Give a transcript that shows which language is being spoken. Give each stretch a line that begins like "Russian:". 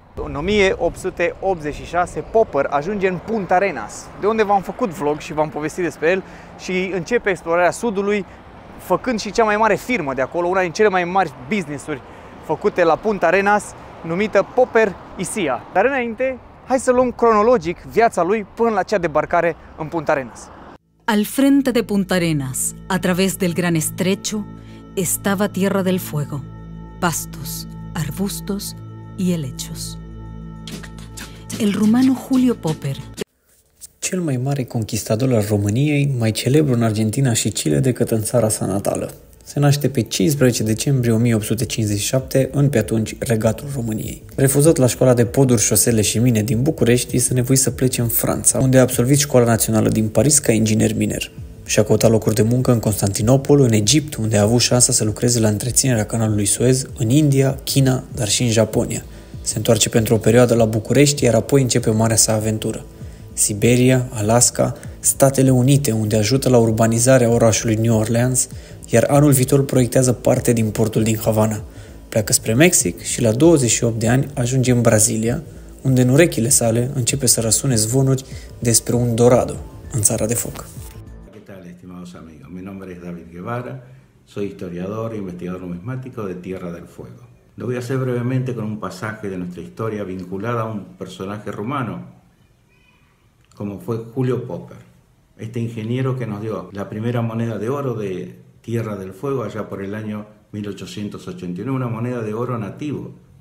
Romanian: În 1886, Popper ajunge în Punta Arenas, de unde v-am făcut vlog și v-am povestit despre el și începe explorarea sudului, făcând și cea mai mare firmă de acolo, una din cele mai mari business-uri făcute la Punta Arenas, numită Popper Isia. Dar înainte, hai să luăm cronologic viața lui până la cea debarcare în Punta Arenas.
Spanish: Al frente de Punta Arenas, a través del gran estrecho, estaba Tierra del Fuego, pastos, arbustos y helechos. El rumano Julio Popper,
Romanian: cel mai mare conquistador al României, mai celebru în Argentina și Chile decât în țara sa natală. Se naște pe 15 decembrie 1857 în pe atunci Regatul României. Refuzat la școala de poduri, șosele și mine din București, este nevoit să plece în Franța, unde a absolvit școala națională din Paris ca inginer miner. Și-a căutat locuri de muncă în Constantinopol, în Egipt, unde a avut șansa să lucreze la întreținerea canalului Suez, în India, China, dar și în Japonia. Se întoarce pentru o perioadă la București, iar apoi începe marea sa aventură. Siberia, Alaska, Statele Unite, unde ajută la urbanizarea orașului New Orleans, iar anul viitor proiectează parte din portul din Havana. Pleacă spre Mexic și la 28 de ani ajunge în Brazilia, unde în urechile sale începe să răsune zvonuri despre un Dorado în țara de foc.
Spanish: ¿Qué tal, estimados amigos? Mi nombre es David Guevara, soy historiador e investigador numismático de Tierra del Fuego. Lo voy a hacer brevemente con un pasaje de nuestra historia vinculada a un personaje rumano, como fue Julio Popper, este ingeniero que nos dio la primera moneda de oro de Tierra del Fuego allá por el año 1889, una moneda de oro nativo.